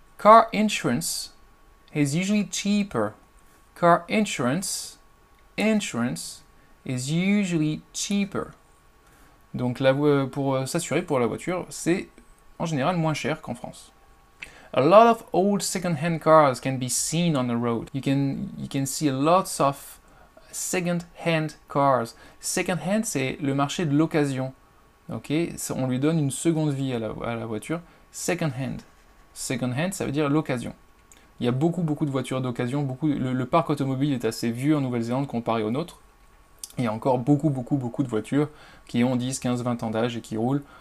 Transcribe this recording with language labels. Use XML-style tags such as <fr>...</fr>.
<en>Car insurance is usually cheaper. Car insurance, is usually cheaper.</en> <fr>Donc là, pour s'assurer pour la voiture, c'est en général moins cher qu'en France.</fr> <en>A lot of old second-hand cars can be seen on the road. You can see lots of second-hand cars.</en> <fr>Second-hand, c'est le marché de l'occasion. Ok, on lui donne une seconde vie à la voiture. Second hand. Second hand, ça veut dire l'occasion. Il y a beaucoup de voitures d'occasion. Le parc automobile est assez vieux en Nouvelle-Zélande comparé au nôtre. Il y a encore beaucoup de voitures qui ont 10, 15, 20 ans d'âge et qui roulent.</fr>